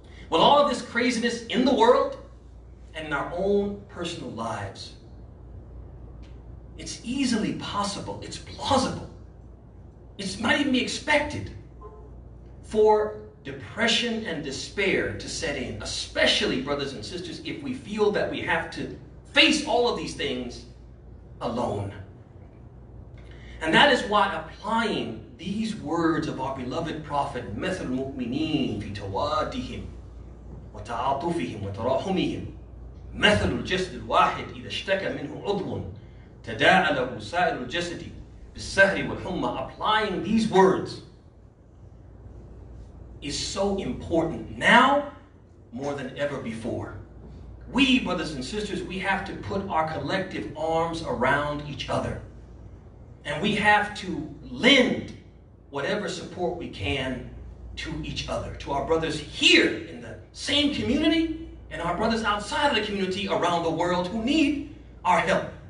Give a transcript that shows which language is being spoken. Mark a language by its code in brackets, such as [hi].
[en] With all of this craziness in the world and in our own personal lives, it's easily possible, it's plausible, it might even be expected for depression and despair to set in, especially, brothers and sisters, if we feel that we have to face all of these things alone. And that is why applying these words of our beloved Prophet, [ar] مَثَلُ الْمُؤْمِنِينَ فِي تَوَادِهِمْ وَتَعَاطُفِهِمْ وَتَرَاحُمِهِمْ مَثَلُ الْجَسْدِ الْوَاحِدِ إِذَا اشْتَكَ مِنْهُ عُضْوٌ تَدَاعَ لَهُ سَائِرُ الْجَسَدِ بالسهر والحمى, [en] applying these words is so important now more than ever before. We, brothers and sisters, we have to put our collective arms around each other. And we have to lend whatever support we can to each other, to our brothers here in the same community and our brothers outside of the community around the world who need our help.